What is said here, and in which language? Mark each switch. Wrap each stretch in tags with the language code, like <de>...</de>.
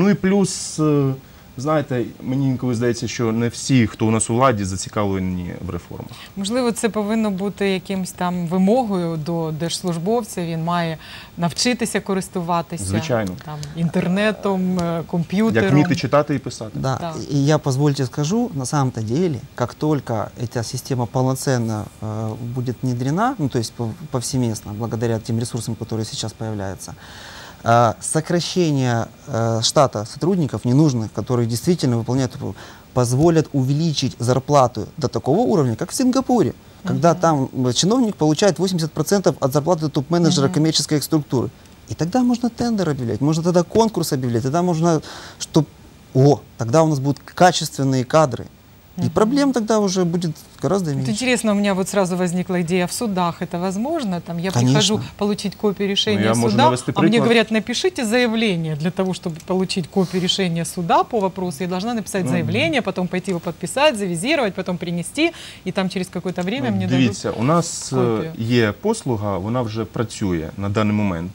<uk>Ну, і плюс, знаєте, мені інколи здається, що не всі, хто у нас у владі, зацікавлені в реформах. Можливо, це повинно бути якимось там вимогою до держслужбовця, він має навчитися користуватися Звичайно. Там, інтернетом, комп'ютером. Як вміти читати і писати. Да.</uk> <ru>І я, позвольте, скажу, на самом-то ділі,</ru> <uk>як тільки ця система повноцінно буде внедрена,</uk> <ru>ну, тобто повсеместно, благодаря тим ресурсам, які зараз з'являються, сокращение штата сотрудников ненужных, которые действительно выполняют, позволят увеличить зарплату до такого уровня, как в Сингапуре, когда там чиновник получает 80% от зарплаты топ-менеджера коммерческой структуры. И тогда можно тендер объявлять, можно тогда конкурс объявлять, тогда можно, чтобы, о, тогда у нас будут качественные кадры. И проблем тогда уже будет гораздо меньше. Вот интересно, у меня вот сразу возникла идея, в судах это возможно? Там я Конечно. Прихожу получить копию решения суда, а мне говорят, напишите заявление для того, чтобы получить копию решения суда по вопросу. Я должна написать заявление, потом пойти его подписать, завизировать, потом принести, и там через какое-то время мне</ru> <uk>дивіться,</uk> <ru>дадут копию.</ru> <uk>У нас є послуга, вона вже працює на даний момент.</uk>